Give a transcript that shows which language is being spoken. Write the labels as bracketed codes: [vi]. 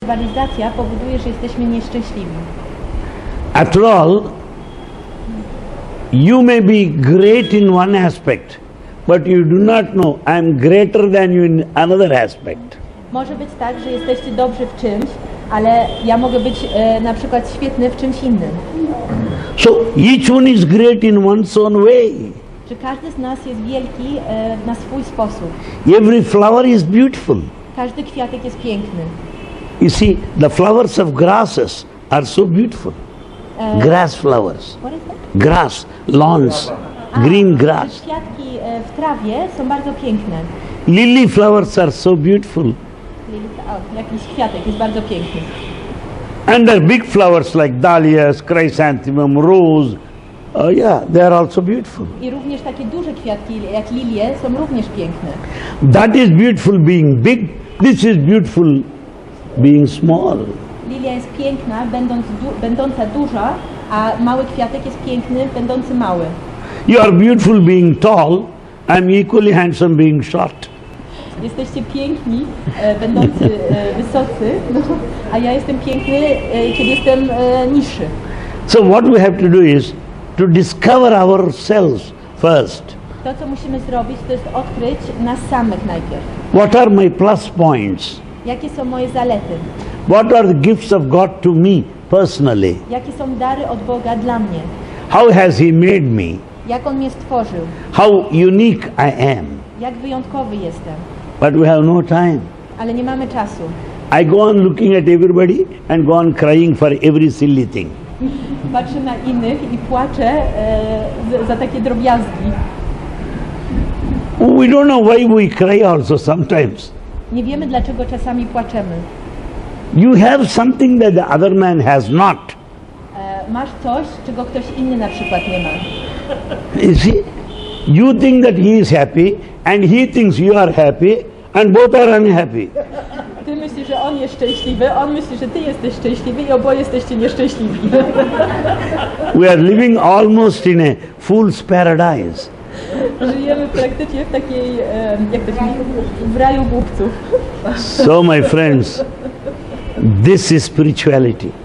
[pl] Rywalizacja powoduje, że jesteśmy nieszczęśliwi. [en] After all, you may be great in one aspect, but you do not know I am greater than you in another aspect. [pl] Może być tak, że jesteście dobrzy w czymś, ale ja mogę być na przykład świetny w czymś innym. [en] So each one is great in one's own way. [pl] Czy każdy z nas jest wielki na swój sposób? [en] Every flower is beautiful. [pl] Każdy kwiatek jest piękny. [en] You see, the flowers of grasses are so beautiful. Grass flowers. What is that? Grass, lawns, green grass. [pl] Kwiatki w trawie są bardzo piękne. [en] Lily flowers are so beautiful. [pl] Jakiś kwiatek jest bardzo piękny. [en] And there are big flowers like dahlias, chrysanthemum, rose. They are also beautiful. [pl] I również takie duże kwiatki jak lilie są również piękne. [en] That is beautiful being big. This is beautiful being small. [pl] Lilia jest piękna będąca duża, a mały kwiatek jest piękny będący mały. [en] You are beautiful being tall. I'm equally handsome being short. [pl] Jesteście piękni będący wysocy, a ja jestem piękny kiedy jestem niższy. [en] So what we have to do is to discover ourselves first. [pl] To, co musimy zrobić, to jest odkryć nas samych najpierw. [en] What are my plus points? [pl] Jakie są moje zalety? [en] What are the gifts of God to me personally? [pl] Jakie są dary od Boga dla mnie? [en] How has He made me? [pl] Jak On mnie stworzył? [en] How unique I am? [pl] Jak wyjątkowy jestem? [en] But we have no time. [pl] Ale nie mamy czasu. [en] I go on looking at everybody and go on crying for every silly thing. [pl] Patrzę na innych i płaczę za takie drobiazgi. [en] We don't know why we cry also sometimes. [pl] Nie wiemy, dlaczego czasami płaczemy. [en] You have something that the other man has not. [pl] Masz coś, czego ktoś inny na przykład nie ma. [en] You see, you think that he is happy and he thinks you are happy and both are unhappy. [pl] Ty myślisz, że on jest szczęśliwy, on myśli, że ty jesteś szczęśliwy i oboje jesteście nieszczęśliwi. [en] We are living almost in a fool's paradise. [pl] Żyjemy praktycznie w takiej, jak to się mówi, w raju głupców. [en] So my friends, this is spirituality.